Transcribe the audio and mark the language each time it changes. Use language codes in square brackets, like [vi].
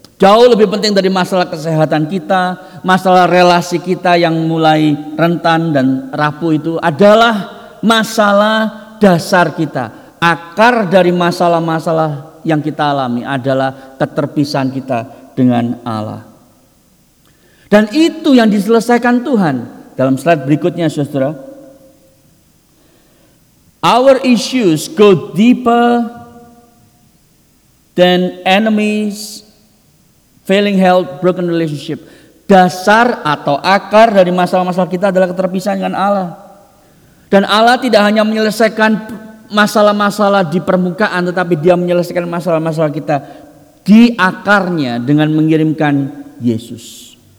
[id] Jauh lebih penting dari masalah kesehatan kita, masalah relasi kita yang mulai rentan dan rapuh itu adalah masalah dasar kita. Akar dari masalah-masalah yang kita alami adalah keterpisahan kita dengan Allah. Dan itu yang diselesaikan Tuhan. Dalam slide berikutnya, saudara. [en] Our issues go deeper than enemies, failing health, broken relationship. [id] Dasar atau akar dari masalah-masalah kita adalah keterpisahan dengan Allah. Dan Allah tidak hanya menyelesaikan masalah-masalah di permukaan, tetapi dia menyelesaikan masalah-masalah kita di akarnya dengan mengirimkan Yesus.